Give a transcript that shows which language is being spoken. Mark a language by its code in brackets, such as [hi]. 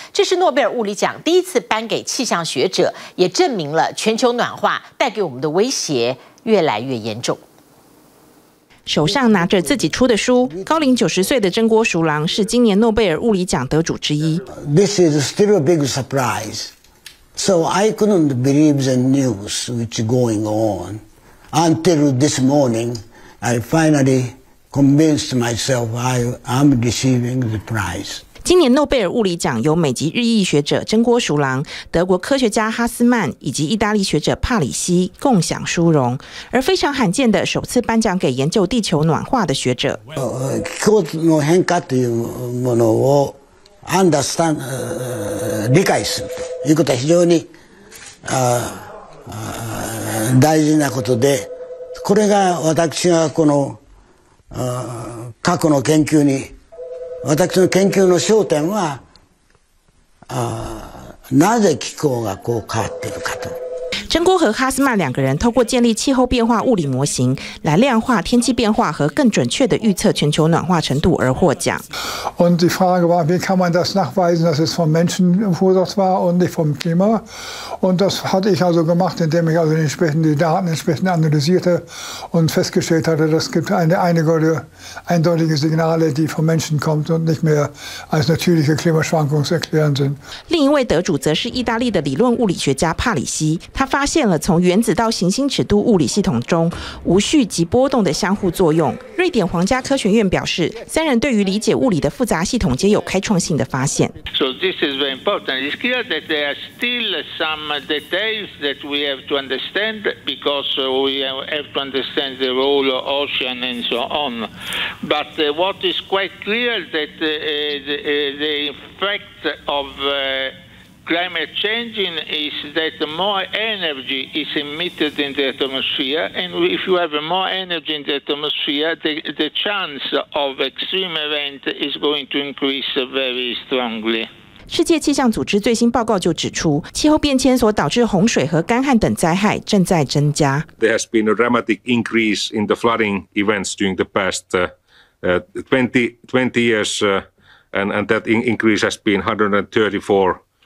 [zh] 这是诺贝尔物理奖第一次颁给气象学者，也证明了全球暖化带给我们的威胁越来越严重。手上拿着自己出的书，高龄90岁的真锅鼠郎是今年诺贝尔物理奖得主之一。 [en] This is still a big surprise. So I couldn't believe the news which is going on until this morning. I finally convinced myself I am receiving the prize. [zh] 今年诺贝尔物理奖由美籍日裔学者真锅鼠郎、德国科学家哈斯曼以及意大利学者帕里西共享殊荣，而非常罕见的首次颁奖给研究地球暖化的学者。 [ja] 気候の変化というものを understand 理解する。いうことは非常に大事なことで、これが私がこの過去の研究に、私の研究の焦点は、なぜ気候がこう変わっているかと。 [zh] 真锅和哈斯曼两个人透过建立气候变化物理模型来量化天气变化和更准确的预测全球暖化程度而获奖。 [de] Und die Frage war, wie kann man das nachweisen, dass es vom Menschen verursacht war und nicht vom Klima? Und das hatte ich also gemacht, indem ich also entsprechende Daten entsprechend analysierte und festgestellt hatte, dass es gibt eindeutige Signale, die vom Menschen kommt und nicht mehr als natürliche Klimaschwankungen zu erklären sind. [zh] 另一位得主则是意大利的理论物理学家帕里西。他发现了从原子到行星尺度物理系统中无序及波动的相互作用。瑞典皇家科学院表示，三人对于理解物理的复杂系统皆有开创性的发现。 [en] So this is very important. It's clear that there are still some details that we have to understand because we have to understand the role of ocean and so on. But what is quite clear that the effect of climate changing is that more energy is emitted in the atmosphere, and if you have more energy in the atmosphere, the chance of extreme event is going to increase very strongly. [zh] 世界气象组织最新报告就指出，气候变迁所导致洪水和干旱等灾害正在增加。 [en] There has been a dramatic increase in the flooding events during the past 20 years, and that increase has been 134%.